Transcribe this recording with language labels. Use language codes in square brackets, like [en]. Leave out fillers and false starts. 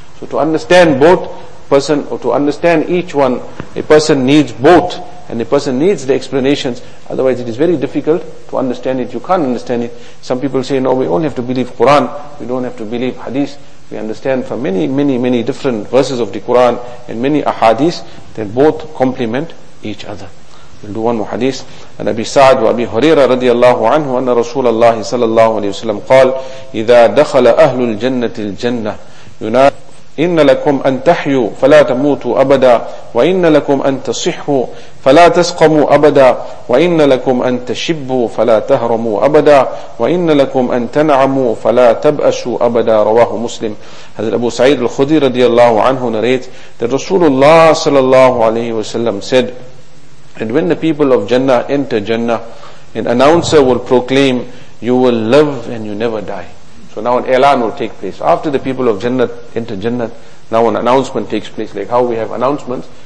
[en] So to understand both person, or to understand each one, a person needs both, and a person needs the explanations. Otherwise it is very difficult to understand it. You can't understand it. Some people say, no, we only have to believe Quran, we don't have to believe Hadith. We understand from many, many, many different verses of the Quran and many ahadith that both complement each other. We'll do one more hadith. [ar] And Abi Sa'd wa Abi Huraira radiallahu anhu anna Rasulullah sallallahu alayhi wa sallam qal, إِذَا دَخَلَ أَهْلُ الْجَنَّةِ الْجَنَّةِ يُنَادِ إِنَّ لَكُمْ أَن تَحْيُوا فَلَا تَمُوتُوا أَبَدًا وَإِنَّ لَكُمْ أَن تَصِحُوا فَلَا تَسْقَمُوا أَبَدًا وَإِنَّ لَكُمْ أَن تَشِبُّوا فَلَا تَهْرَمُوا أَبَدًا وَإِنَّ لَكُمْ أَن تَنْعَمُوا فَلَا تَبْأَسُوا أَبَدًا رواه مسلم. حضرت ابو سعيد الخدري رضي الله عنه [en] narrates that Rasulullah صلى الله عليه وسلم said, and when the people of Jannah enter Jannah, an announcer will proclaim, you will live and you never die. So now an elan will take place. After the people of Jannah enter Jannah, now an announcement takes place, like how we have announcements.